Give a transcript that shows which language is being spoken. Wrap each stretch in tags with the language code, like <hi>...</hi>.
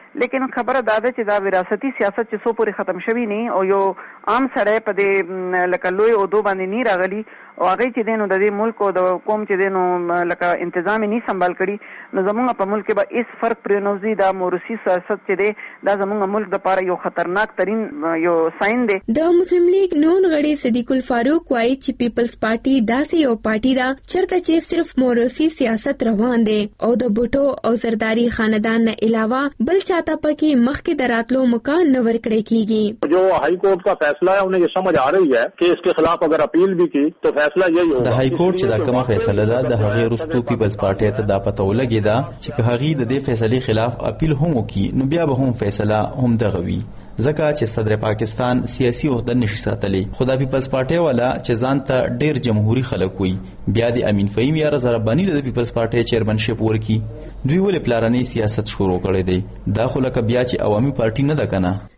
<ps>لیکن خبره دا ده چې دا وراثتی سیاست چې څو پورې ختم شوی نه او یو عام سړی په دې لکه لوی عہدو باندې نه راغلی او هغه چې دینو د دې ملک او د قوم چې دینو لکه انتظامی نه سنبال کړي، نو زمونږ په ملک کې به اس فرق پرنوزی دا موروسی سیاست چې دی دا زمونږ ملک لپاره یو خطرناک ترین یو ساين دی. د مسلم لیگ نون غړي صدیق الفاروق وایي چې پیپلز پارټي داسې یو پارټي ده چېرته چې صرف موروسی سیاست روان دی او د بوټو او زرداری خاندان نه علاوه بل چاته پکې مخ کې دراتلو مکان نه ورکړی کیږي.</ps> <ur>جو های کورټ کا فیصله ہے انہیں یہ سمجھ آ رہی ہے کہ اس کے خلاف اگر اپیل بھی کی تو فیصلہ یہی ہوگا.</ur> <ps>ہائی کورٹ چې دا کومه فیصله ده، د هغې وروستو پیپلز پارټۍ ته دا پته ولګېدا چې که هغې د دې فیصلې خلاف اپیل هم وکړي نو بیا به هم فیصله هم دغه وي، ځکه چې صدر پاکستان سیاسي عہده نشي ساتلی. خو دا پیپلز پارټۍ والا چې ځان ته ډېر جمهوري خلک وي، بیا د امین فهیم یا رضا ربانی د پیپلز پارټۍ چیرمنشپ ورکړي، دوی ولې پلارنی سیاست شروع کړی دی؟ دا خو لکه بیا چې عوامي پارټي نه ده کنه.</ps>